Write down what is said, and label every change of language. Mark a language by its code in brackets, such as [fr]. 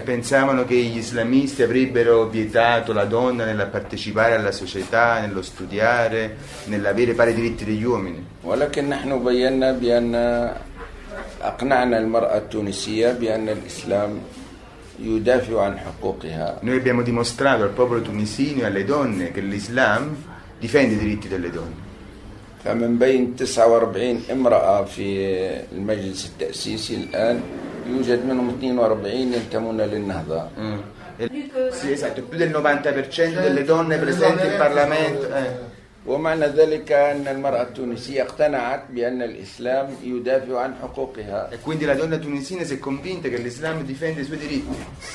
[it] pensavano che gli islamisti avrebbero vietato la donna nella partecipare alla società, nello studiare, nell'avere pari diritti degli uomini. [ar] ولكن نحن بينا بان اقنعنا المراه التونسيه بان الاسلام يدافع عن حقوقها. [it] Noi abbiamo dimostrato al popolo tunisino e alle donne che l'Islam difende i diritti delle donne. [ar] فمن بين 49 امرأة في المجلس التأسيسي الآن يوجد منهم 42 ينتمون للنهضة. [it] Sì, esatto, più del 90% delle donne presenti in Parlamento. [ar] ومعنى ذلك أن المرأة التونسية اقتنعت بأن الإسلام يدافع عن حقوقها. [it] E quindi la donna tunisina si è convinta che l'Islam difende i suoi diritti.